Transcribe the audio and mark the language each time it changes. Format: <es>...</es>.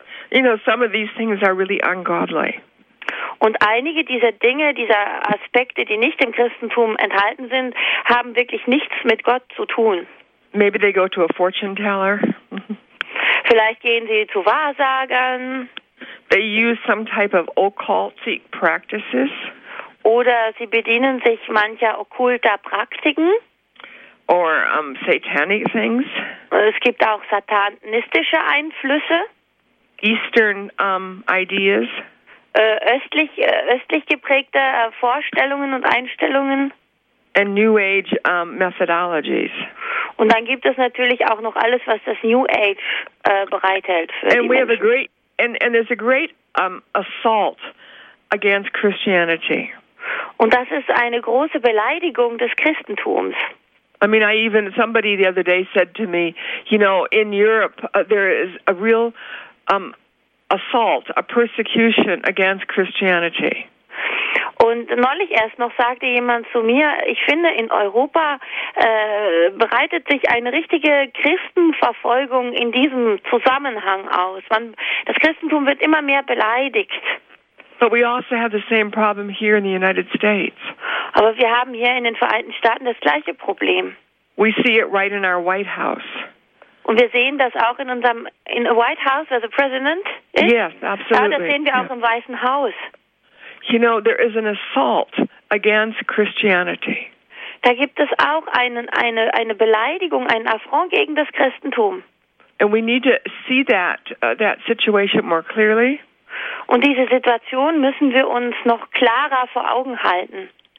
<en>You know, some of these things are really ungodly.</en> <de>Und einige dieser Dinge, dieser Aspekte, die nicht im Christentum enthalten sind, haben wirklich nichts mit Gott zu tun.</de> <en>Maybe they go to a fortune teller.</en> <de>Vielleicht gehen sie zu Wahrsagern.</de> <en>They use some type of occultic practices.</en> <de>Oder sie bedienen sich mancher okkulter Praktiken.</de> <en>Or satanic things.</en> <de>Es gibt auch satanistische Einflüsse.</de> <en>Eastern ideas.</en> <de>Östlich geprägte Vorstellungen und Einstellungen.</de> <en>And New Age methodologies.</en> <de>Und dann gibt es natürlich auch noch alles, was das New Age bereithält für</de> <en>and</en> <de>die Menschen.</de> <en>Have a great, and there's a great assault against Christianity.</en> <de>Und das ist eine große Beleidigung des Christentums.</de> <en>I mean, I even somebody the other day said to me, you know, in Europe there is a real assault, a persecution against Christianity.</en> <de>Und neulich erst noch sagte jemand zu mir, ich finde, in Europa bereitet sich eine richtige Christenverfolgung in diesem Zusammenhang aus. Das Christentum wird immer mehr beleidigt.</de> <en>But we also have the same problem here in the United States.</en> <de>Aber wir haben hier in den Vereinigten Staaten das gleiche Problem.</de> <en>We see it right in our White House.</en> <de>Und wir sehen das auch in unserem</de> <en>in the White House, where the president is. Yes, absolutely.</en> <de>Ja, das sehen wir auch im Weißen Haus.</de> <en>You know, there is an assault against Christianity.</en> <de>Da gibt es auch eine Beleidigung, einen Affront gegen das Christentum.</de> <en>And we need to see that situation more clearly.</en> <de>Und diese Situation müssen wir uns noch klarer vor Augen halten.</de>